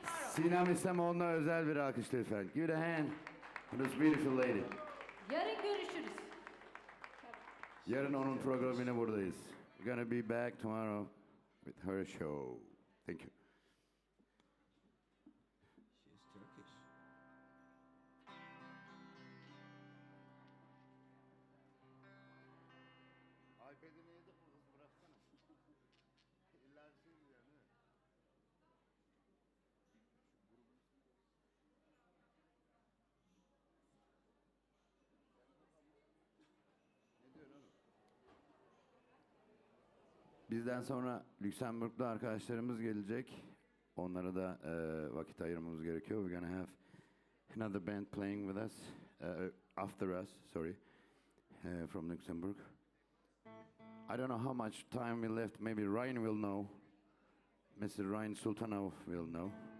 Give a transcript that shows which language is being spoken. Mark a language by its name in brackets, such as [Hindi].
[Turkish] Sinem İslamoğlu'na özel bir alkış lütfen. [English] Give it a hand for this beautiful lady. [Turkish] Yarın görüşürüz. Yarın onun programını buradayız. [English] We're gonna be back tomorrow with her show. Thank you. [Turkish] Bizden sonra Lüksemburglu arkadaşlarımız gelecek. Onlara da vakit ayırmamız gerekiyor. [English] We're gonna have another band playing with us, after us, sorry, from Luxembourg. I don't know how much time we left. Maybe Ryan will know. Mr. Ryan Sultanov will know.